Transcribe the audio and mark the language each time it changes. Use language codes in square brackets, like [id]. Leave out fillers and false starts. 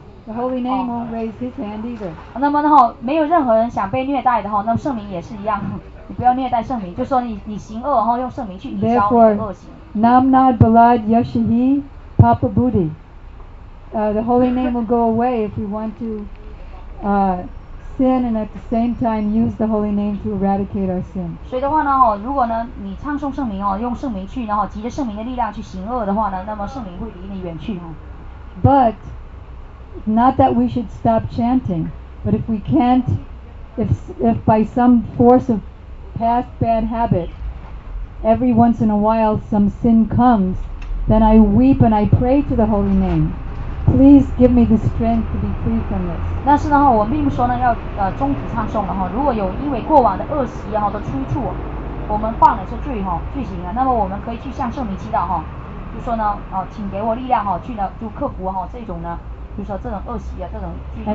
[en] The holy name won't raise his hand either. [zh] 那么的话，没有任何人想被虐待的话，那圣名也是一样。你不要虐待圣名，就说你行恶，然后用圣名去抵消你的恶行。 [en] Therefore, Namnad Balad Yashihi Papa Budi. The holy name will go away if we want to sin and at the same time use the holy name to eradicate our sin. [zh] 所以的话呢，如果呢你唱诵圣名哦，用圣名去，然后集着圣名的力量去行恶的话呢，那么圣名会离你远去哈。 [en] But not that we should stop chanting, but if we can't, if by some force of past bad habit, every once in a while some sin comes, then I weep and I pray to the holy name. Please give me the strength to be free from this. [zh] 但是呢，我并不说呢要终止唱诵了哈。如果有因为过往的恶习然后都催促我们犯了这罪哈罪行啊，那么我们可以去向圣明祈祷哈，就说呢请给我力量哈，去呢就克服哈这种呢，就说这种恶习啊这种罪行。